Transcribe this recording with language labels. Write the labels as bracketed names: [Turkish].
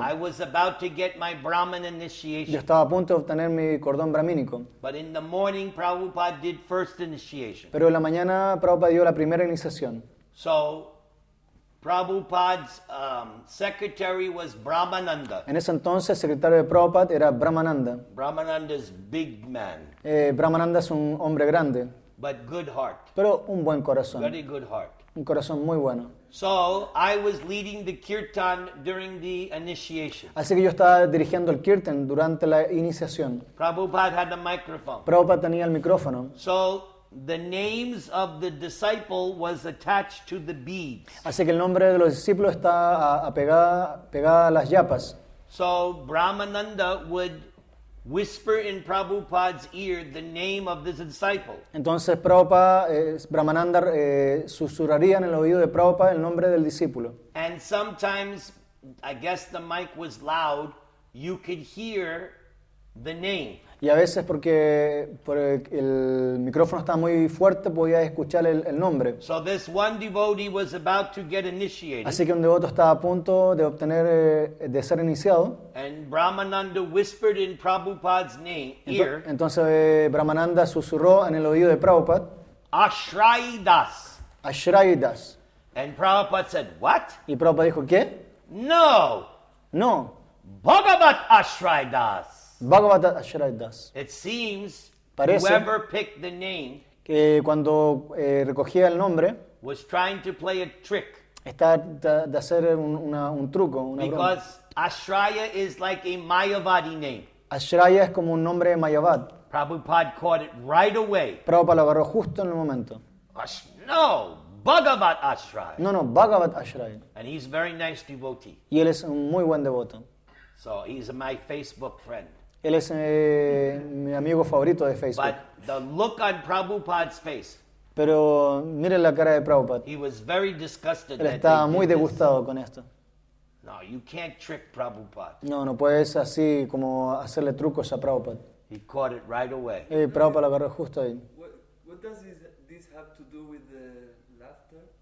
[English] I was about to get my Brahman initiation. [Spanish] Yo estaba a punto de obtener mi cordón brahmínico. [English] But in the morning Prabhupada did first initiation. [Spanish] Pero en la mañana Prabhupada dio la primera iniciación. [English] So Prabhupada's secretary was Brahmananda. [Spanish] En ese entonces, el secretario de Prabhupada era Brahmananda. [English] Brahmananda's big man. [Spanish] Brahmananda es un hombre grande. [English] But good heart. [Spanish] Pero un buen corazón. [English] Very good heart. [Spanish] un corazón muy bueno. [English] So I was leading the kirtan during the initiation. [Spanish] Así que yo estaba dirigiendo el kirtan durante la iniciación. [English] Prabhupada had the microphone. [Spanish] Prabhupada tenía el micrófono. [English] So the names of the disciple was attached to the beads. [Spanish] Así que el nombre de los discípulos está pegada a las yapas. [English] So Brahmananda would whisper in Prabhupada's ear the name of this disciple. [Spanish] Entonces Brahmananda susurraría en el oído de Prabhupada el nombre del discípulo. [English] And sometimes, I guess the mic was loud, you could hear the name. [Spanish] Y a veces porque el micrófono estaba muy fuerte podía escuchar el nombre. [English] So this one devotee was about to get initiated. [Spanish] Así que un devoto estaba a punto de obtener de ser iniciado. [English] And Brahmananda whispered in Prabhupada's name, ear. [Spanish] Entonces Brahmananda susurró en el oído de Prabhupada. Ashraidas. Ashraidas. [English] And Prabhupada said, "What?" [Spanish] Y Prabhupada dijo, "¿Qué?" No. No. [English] Bhagavat Ashraidas. [Spanish] Bhagavata Ashraidas. [English] It seems [Spanish] parece [English] whoever picked the name [Spanish] que cuando recogía el nombre [English] was trying to play a trick. [Spanish] Estaba de hacer un truco, una [English] because [Spanish] broma. [English] Because Ashraya is like a Mayavadi name. [Spanish] Ashraya es como un nombre Mayavad. [English] Prabhupada caught it right away. [Spanish] Prabhupada lo agarró justo en el momento. No, Bhagavat Ashraya. No, Bhagavat Ashraya. [English] And he's a very nice devotee. [Spanish] Y él es un muy buen devoto. [English] So he's my Facebook friend. [Spanish] Él es mi amigo favorito de Facebook. [English] But the look on Prabhupada's face. [Spanish] Pero mire la cara de Prabhupada. [English] He was very disgusted. [Spanish] Él estaba muy disgustado con esto. [English] No, you can't trick Prabhupada. [Spanish] No puedes así como hacerle trucos a Prabhupada. [English] He caught it right away. [Spanish] Y Prabhupada lo agarró justo ahí. [English] What does this have to do with the laughter?